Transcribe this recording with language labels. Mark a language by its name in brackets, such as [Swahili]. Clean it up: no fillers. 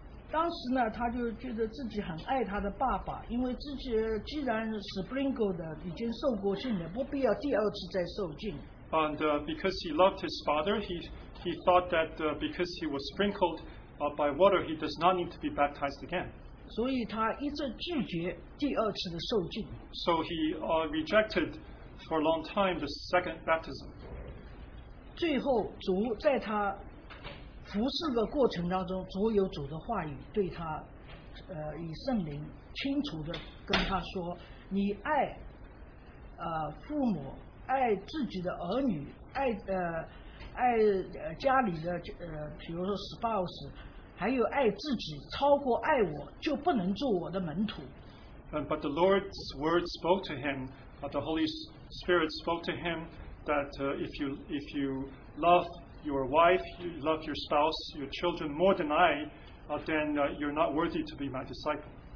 [Chinese] 当时呢，他就觉得自己很爱他的爸爸，因为自己既然 sprinkled 的已经受过浸了，不必要第二次再受浸。 [English] And because he loved his father, he thought that because he was sprinkled by water, he does not need to be baptized again. [Chinese] 所以他一直拒绝第二次的受浸。 [English] So he rejected for a long time the second baptism. [Chinese] 最后主在他服侍的过程当中，主有主的话语对他以圣灵清楚的跟他说，你爱父母，爱自己的儿女，爱家里的比如说 spouse，还有爱自己超过爱我，就不能做我的门徒。 [English] But the Lord's word spoke to him, but the Holy Spirit spoke to him that if you love your wife, you love your spouse, your children more than I, then you're not worthy to be my disciple.